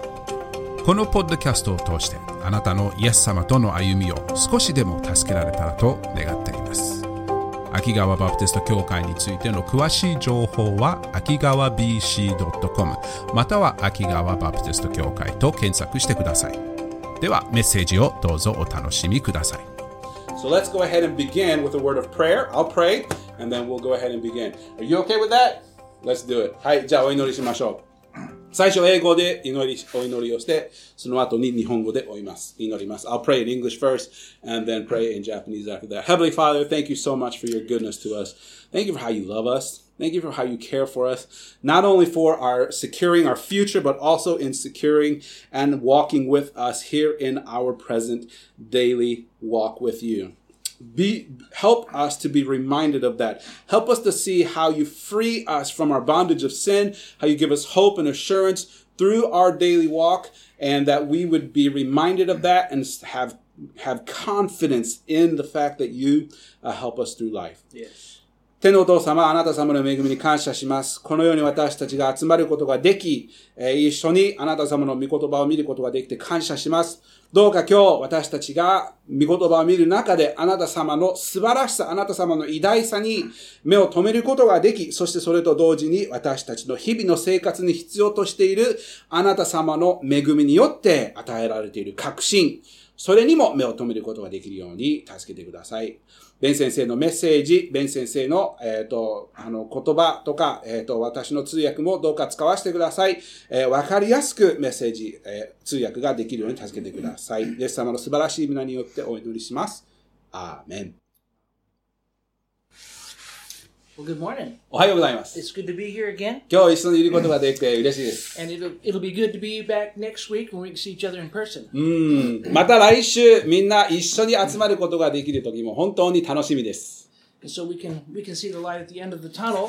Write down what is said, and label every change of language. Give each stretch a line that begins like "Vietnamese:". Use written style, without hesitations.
Japanese: このポッドキャストを通してあなたのイエス様との歩みを少しでも助けられたらと願っています。秋川バプテスト教会についての詳しい情報は akigawabc.com または秋川バプテスト教会と検索してください。ではメッセージをどうぞお楽しみください。
English: So let's go ahead and begin with a word of prayer. I'll pray and then we'll go ahead and begin. Are you okay with that? Let's do it.
Japanese: はい、じゃあお祈りしましょう。最初英語で祈り、お祈りをして、その後に日本語で祈ります。
English: I'll pray in English first and then pray in Japanese after that. Heavenly Father, thank you so much for your goodness to us. Thank you for how you love us. Thank you for how you care for us. Not only for our securing our future, but also in securing and walking with us here in our present daily walk with you. Help us to be reminded of that. Help us to see how you free us from our bondage of sin, how you give us hope and assurance through our daily walk, and that we would be reminded of that and have confidence in the fact that you help us through life. Yes.
Japanese: 天のお父様、あなた様の恵みに感謝します。このように私たちが集まることができ、一緒にあなた様の御言葉を見ることができて感謝します。どうか今日私たちが御言葉を見る中であなた様の素晴らしさ、あなた様の偉大さに目を留めることができ、そしてそれと同時に私たちの日々の生活に必要としているあなた様の恵みによって与えられている確信、それにも目を留めることができるように助けてください。ベン先生のメッセージ、ベン先生の、言葉とか、私の通訳もどうか使わせてください。わかりやすくメッセージ、通訳ができるように助けてください。イエス様の素晴らしい皆によってお祈りします。アーメン。
English: Well, good morning.
Japanese: おはようございます。
English: It's good to be here again.
Japanese: 今日一緒にいることができて嬉しいです。
English: And it'll be good to be back next week when we can see each other in person.
Japanese: また来週みんな一緒に集まることができる時も本当に楽しみです。
English: So we can see the light at the end of the tunnel.